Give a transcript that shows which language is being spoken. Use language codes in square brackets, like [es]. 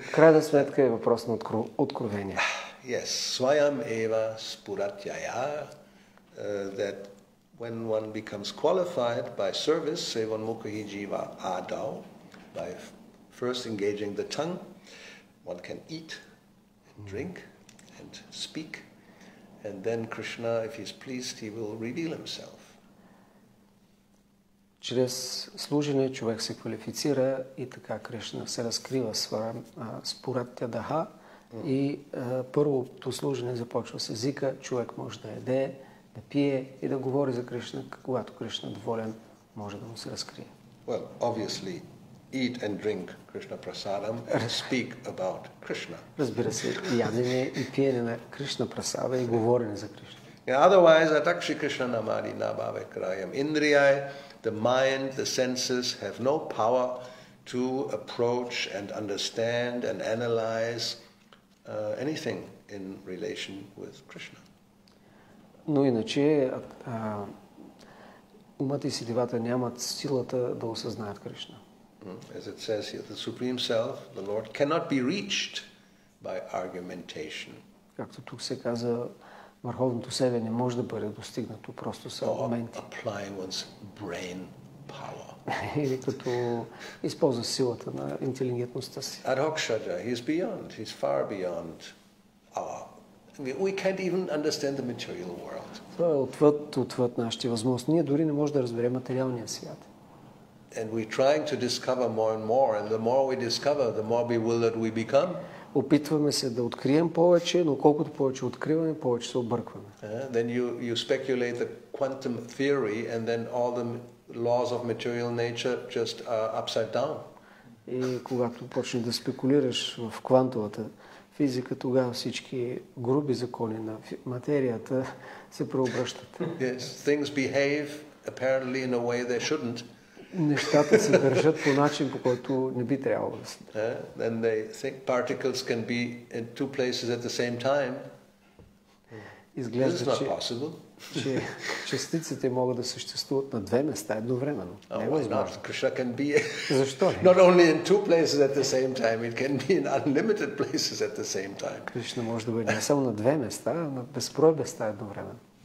[bg] В крайна сметка е въпрос на откровение. [sa] Yes. Свайам ева спуратяя [en] that when one becomes qualified by service, [sa] sevan mukhi jiva adau, [en] by first engaging the tongue, one can eat and drink and speak, and then Krishna, if he's pleased, he will reveal himself. [bg] Чрез служене човек се квалифицира и така Кришна се разкрива според тядаха. И първото служене започва с езика, човек може да яде, да пие и да говори за Кришна, когато Кришна доволен, може да му се разкрие. [en] Well, obviously, eat and drink Krishna prasadam and speak about Krishna. [bg] Разбира се, ядене и пиене на Кришна прасада и говорене за Кришна. [en] Yeah, otherwise, [sa] atakshi Krishna namadi nabhave krayam indriyai, [en] the mind, the senses have no power to approach and understand and analyze anything in relation with Krishna. [bg] Но иначе умът и сетивата нямат силата да осъзнаят Кришна. [en] As it says here, the Supreme Self, the Lord, cannot be reached by argumentation. [bg] Както тук се каза, върховното себе не може да бъде достигнато просто с аргументи. [en] Or applying one's brain power. [bg] Или като използва силата на интелигентността си. [en] Arhokshaja, he is beyond, he is far beyond our. We can't even understand the material world. [bg] Това е отвъд нашите възможности. Ние дори не можем да разберем материалния свят. [en] And we're trying to discover more and more, and the more we discover, the more bewildered we become. [bg] Опитваме се да открием повече, но колкото повече откриваме, повече се объркваме. [en] Then you speculate the quantum theory, and then all the laws of material nature just are upside down. [bg] И когато почнеш да спекулираш в квантовата физика, тогава всички груби закони на материята се преобръщат. [en] Yes, things behave apparently in a way they shouldn't. [bg] Нещата се държат по начин, по който не би трябвало да се държат. [en] Then they think particles can be in two places at the same time. [bg] Изглежда, [en] this is not possible. [bg] Че частиците могат да съществуват на две места едновременно. [en] Krishna can be [bg] Защо? [en] Not only in two places at the same time, it can be in unlimited places at the same time. [bg] Кришна може да бъде не само на две места, а на безброй места едновременно.